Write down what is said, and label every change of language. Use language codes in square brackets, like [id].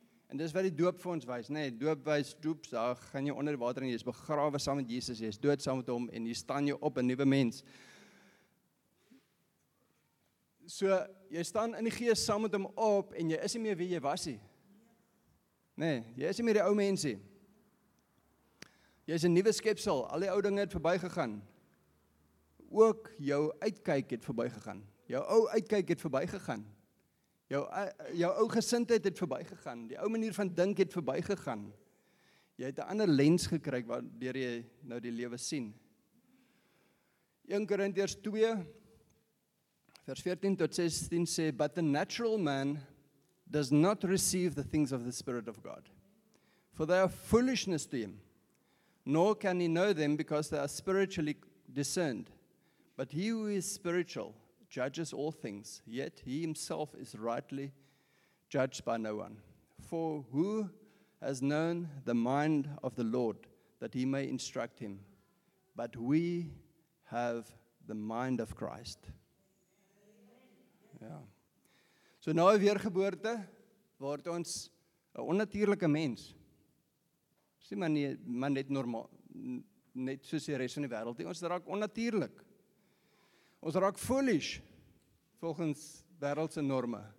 [af] En dis wat die doop vir ons wys, nê? Doop wys doop, daar gaan jy onder water en jy is begrawe saam met Jesus, jy is dood saam met hom en jy staan jy op 'n nuwe mens. So jy staan in die gees saam met hom op en jy is nie meer wie jy was nie. Nee, jy is nie meer die ou mens nie. Jy is 'n nuwe skepsel, al die ou dinge het verbygegaan. Ook jou uitkyk het verbygegaan. Jou ou uitkyk het verbygegaan. Jou ou gesindheid het verbygegaan. Die ou manier van dink het verbygegaan. Jy het 'n ander lens gekry waardeur jy nou die lewe sien. 1 Korintiërs 2 Vers 14 tot 16 sê, [en] but the natural man does not receive the things of the Spirit of God. For they are foolishness to him, nor can he know them because they are spiritually discerned. But he who is spiritual judges all things, yet he himself is rightly judged by no one. For who has known the mind of the Lord that he may instruct him? But we have the mind of Christ. [af] Ja. So nou weergeboorte word ons 'n onnatuurlike mens. Sien maar nie maar net normaal net soos die res van die wêreld nie. Ons raak onnatuurlik. Ons raak foolish volgens wêreldse norme.